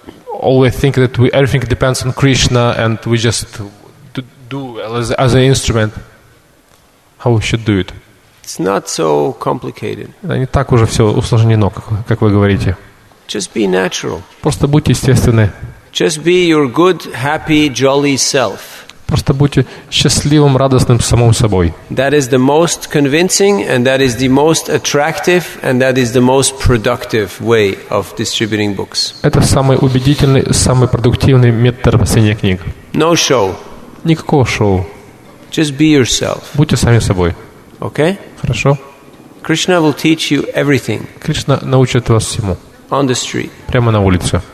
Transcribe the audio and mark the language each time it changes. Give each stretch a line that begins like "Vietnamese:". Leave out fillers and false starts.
English: Always think that everything depends on Krishna and we just do as an instrument. How we should do it? It's not so complicated.
Russian: Это не так уже все усложнено, как вы говорите.
English: Just be natural.
Russian: Просто будьте естественны.
English: Just be your good, happy, jolly self.
Russian: Просто будьте счастливым, радостным самим собой.
English: That is the most convincing and that is the most attractive and that is the most productive way of distributing books.
Russian: Это самый убедительный, самый продуктивный метод распространения книг.
English: No show.
Russian: Никакого шоу.
English: Just be yourself.
Russian: Будьте сами собой.
English: Okay?
Russian: Хорошо.
English: Krishna will teach you everything.
Russian: Кришна научит вас всему.
English: On the street.
Russian: Прямо на улице.